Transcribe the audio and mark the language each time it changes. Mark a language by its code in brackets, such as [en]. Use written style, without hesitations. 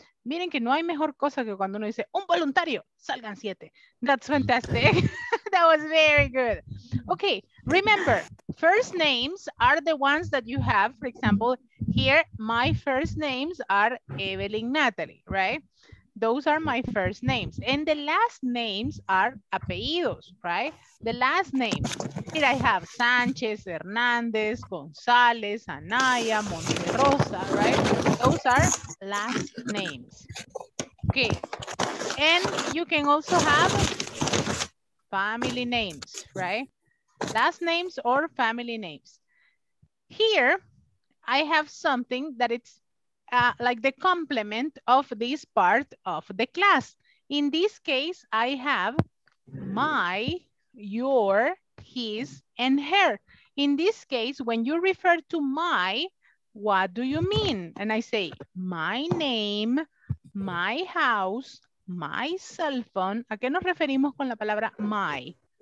[es] Miren que no hay mejor cosa que cuando uno dice, un voluntario, salgan siete. [en] That's fantastic. That was very good. Okay, remember, first names are the ones that you have. For example, here, my first names are Evelyn Natalie, right? Those are my first names. And the last names are apellidos, right? The last names. Here I have Sanchez, Hernandez, Gonzalez, Anaya, Monterosa, right? Those are last names. Okay. And you can also have family names, right? Last names or family names. Here, I have something that it's like the complement of this part of the class. In this case, I have my, your, his, and her. In this case, when you refer to my, what do you mean? And I say my name, my house, my cell phone. [es] ¿A qué nos referimos con la palabra my?